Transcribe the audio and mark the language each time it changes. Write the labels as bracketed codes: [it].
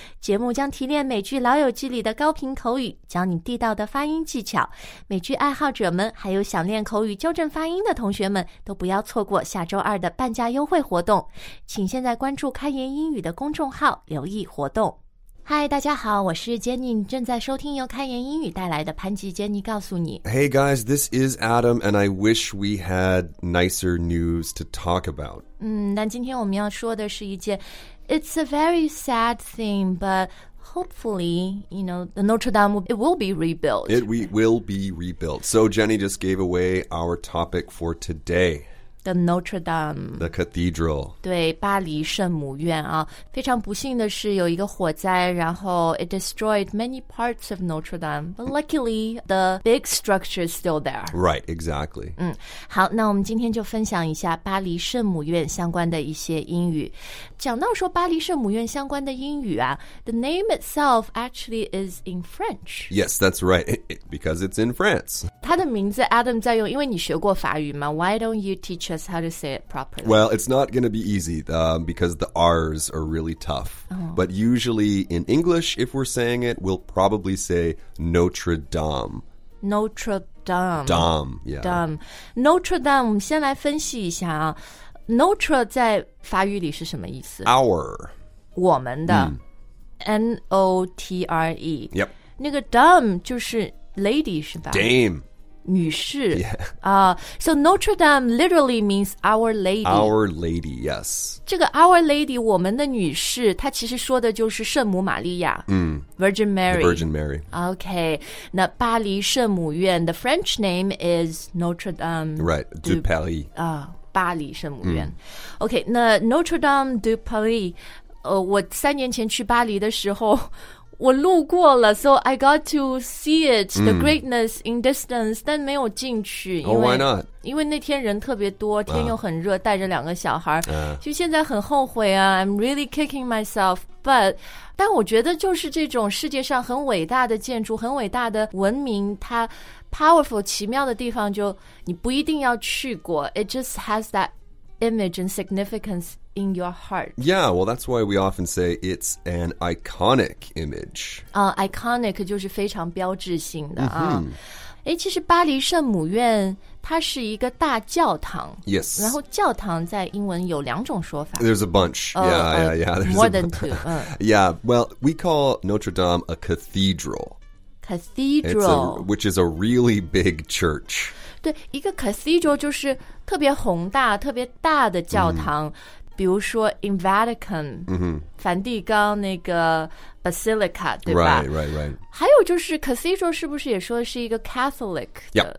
[zh] 节目将提炼美剧老友记里的高频口语，教你地道的发音技巧，美剧爱好者们还有想练口语纠正发音的同学们都不要错过下周二的半价优惠活动，请现在关注开言英语的公众号留意活动。嗨，大家好，我是 Jenny， 正在收听由开言英语带来的潘吉 Jenny 告诉你。 [en] Hey guys, this is Adam, and I wish we had nicer news to talk about. [zh] 但今天我们要说的是一件 [en] It's a very sad thing, but hopefully, you know, the Notre Dame, it will be rebuilt. It will be rebuilt. So Jenny just gave away our topic for today. The Notre Dame. The cathedral. [zh] 对，巴黎圣母院啊。非常不幸的是有一个火灾，然后 [en] it destroyed many parts of Notre Dame. But luckily, the big structure is still there. Right, exactly. [zh] 好，那我们今天就分享一下巴黎圣母院相关的一些英语。讲到说巴黎圣母院相关的英语啊， [en] the name itself actually is in French. Yes, that's right, because it's in France. [zh] 它的名字 Adam 在用，因为你学过法语嘛， [en] why don't you teach? Just how to say it properly. Well, it's not going to be easy, because the R's are really tough. Oh. But usually in English, if we're saying it, we'll probably say Notre Dame. Notre Dame. Dame, yeah. Dame. [zh] Notre Dame, 我们先来分析一下啊。Notre 在法语里是什么意思？ [en] Our. [zh] 我们的。Mm. N-O-T-R-E. [en] Yep. [zh] 那个 Dame 就是 lady, 是吧？ [en] Dame. [zh] 女士、 [en] yeah. So Notre Dame literally means Our Lady. Our Lady, yes. [zh] 这个 Our Lady, 我们的女士，她其实说的就是圣母玛利亚、Virgin Mary. [en] The Virgin Mary. Okay, [zh] 那巴黎圣母院 [en] the French name is Notre Dame. Right, du Paris. [zh] 巴黎圣母院、Okay, 那 Notre Dame du Paris, 我三年前去巴黎的时候我路过了 [en] so I got to see it, the greatness in distance, [zh] 但没有进去。 [en] Oh, why not? [zh] 因为那天人特别多天又很热带着两个小孩。就现在很后悔啊 [en] I'm really kicking myself, but [zh] 我觉得就是这种世界上很伟大的建筑很伟大的文明它 powerful, 奇妙的地方就你不一定要去过 [en] it just has that image and significance. In your heart. Yeah, well, that's why we often say it's an iconic image. [zh] Iconic 就是非常标志性的、 [en] mm-hmm. [zh] 其实巴黎圣母院它是一个大教堂 [en] Yes. [zh] 然后教堂在英文有两种说法 [en] There's a bunch. More than two. Yeah, well, we call Notre Dame a cathedral. Cathedral. Which is a really big church. [zh] 对，一个 cathedral 就是特别宏大、特别大的教堂。比如说 in Vatican,、梵蒂冈那个 Basilica, 对吧 [en] right. [zh] 还有就是 cathedral 是不是也说是一个 Catholic 的、